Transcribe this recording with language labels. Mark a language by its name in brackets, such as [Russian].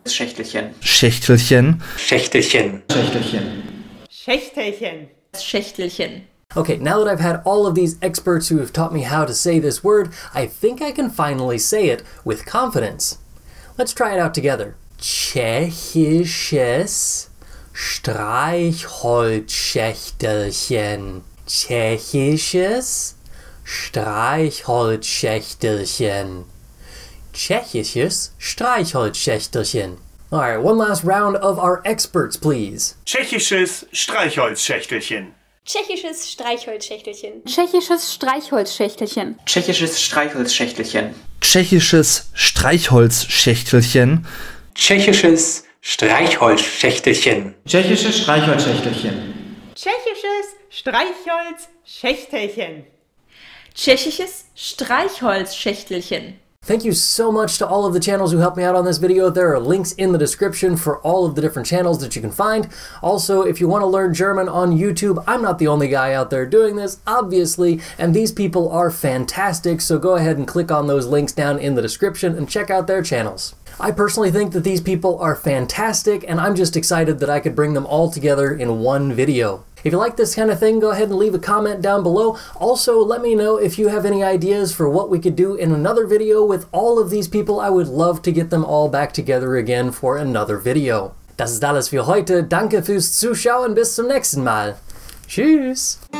[German] Schächtelchen. Schächtelchen. Schächtelchen. Schächtelchen. Schächtelchen. Schächtelchen. [English] Okay, now that I've had all of these experts who have taught me how to say this word, I think I can finally say it with confidence. Let's try it out together. [German] Tschechisches Streichholzschächtelchen. Tschechisches Streichholzschächtelchen. Tschechisches Streichholzschächtelchen. [English] Alright, one last round of our experts, please. [German] Tschechisches Streichholzschächtelchen. Tschechisches Streichholzschächtelchen. Tschechisches Streichholzschächtelchen. Tschechisches Streichholzschächtelchen. Tschechisches Streichholzschächtelchen. Tschechisches Streichholzschächtelchen. Tschechisches Streichholzschächtelchen. Tschechisches Streichholzschächtelchen. Tschechisches Streichholzschächtelchen. [English] Thank you so much to all of the channels who helped me out on this video. There are links in the description for all of the different channels that you can find. Also, if you want to learn German on YouTube, I'm not the only guy out there doing this, obviously, and these people are fantastic, so go ahead and click on those links down in the description and check out their channels. I personally think that these people are fantastic, and I'm just excited that I could bring them all together in one video. If you like this kind of thing, go ahead and leave a comment down below. Also, let me know if you have any ideas for what we could do in another video with all of these people. I would love to get them all back together again for another video. [German] Das ist alles für heute. Danke fürs Zuschauen. Bis zum nächsten Mal. Tschüss.